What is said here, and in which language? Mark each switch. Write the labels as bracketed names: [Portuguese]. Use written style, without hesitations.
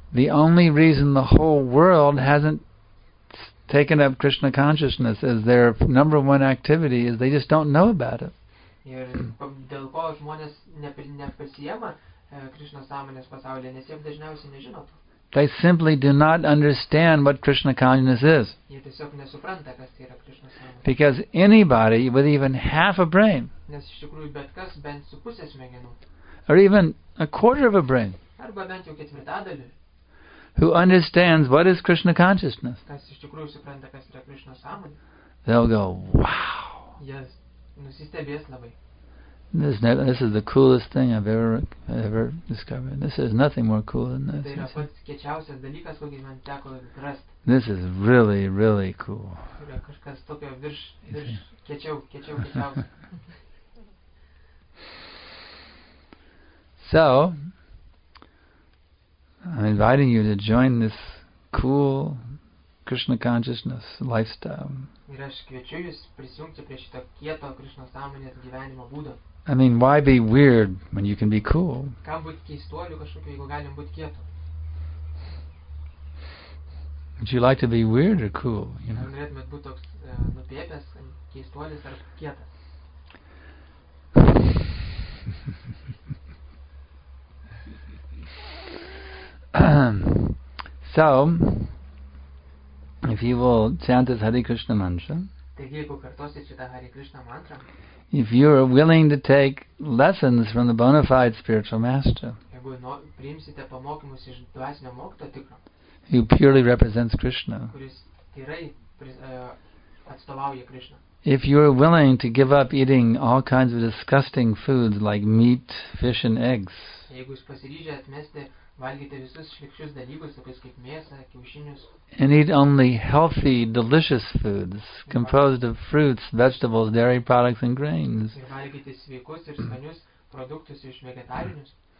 [English] The only reason the whole world hasn't taken up Krishna consciousness as their number one activity is they just don't know about it. [Lithuanian] Ir dėl ko žmonės nepasiema Krishna sąmonės pasaulyje, nes jie dažniausiai nežino to. [English] They simply do not understand what Krishna consciousness is. [Lithuanian] Jie tiesiog nesupranta, kas tai yra Krishna sąmonė. [English] Because anybody with even half a brain, [Lithuanian] nes iš tikrųjų bet kas bent su pusės smegenų, [English] or even a quarter of a brain, [Lithuanian] arba bent jau ketvirtadalį, [English] who understands what is Krishna consciousness, [Lithuanian] kas iš tikrųjų supranta, kas yra Krishna sąmonė, [English] they'll go, wow. [Lithuanian] Jis nusistebės labai. [English] This is the coolest thing I've ever discovered. This is nothing more cool than this. [Lithuanian] Tai yra pats kečiausias dalykas, kokį man teko rasti. [English] This is really, really cool. [Lithuanian] Yra kažkas tokio virš kečiausias. [English] So, I'm inviting you to join this cool Krishna consciousness lifestyle. [Lithuanian] Ir aš kviečiu jūs prisijungti prie šito kieto Krishna sąmonės gyvenimo būdo. [English] I mean, why be weird when you can be cool? [Lithuanian] Kam būti keistuoliu kažkokiu, jeigu galim būti kietu? [English] Would you like to be weird or cool? You know? [Lithuanian] Norėtumėt būti toks nupėpęs, keistuolis ar kietas? [English] So, if you will chant this Hare Krishna mantra, [Lithuanian] taigi, jeigu kartosit šitą Hare Krishna mantrą, [English] if you are willing to take lessons from the bona fide spiritual master, [Lithuanian] jeigu priimsite pamokymus iš dvasinio mokyto tikro, [English] who purely represents Krishna, [Lithuanian] kuris tikrai atstovauja Krishna, [English] if you are willing to give up eating all kinds of disgusting foods like meat, fish and eggs, [Lithuanian] jeigu jūs pasiryžę atmesti valgyti visus šlykščius dalykus, tokius kaip mėsą, kiaušinius, [English] and eat only healthy, delicious foods composed of fruits, vegetables, dairy products and grains, [Lithuanian] ir valgyti sveikus ir skanius produktus iš vegetarinius,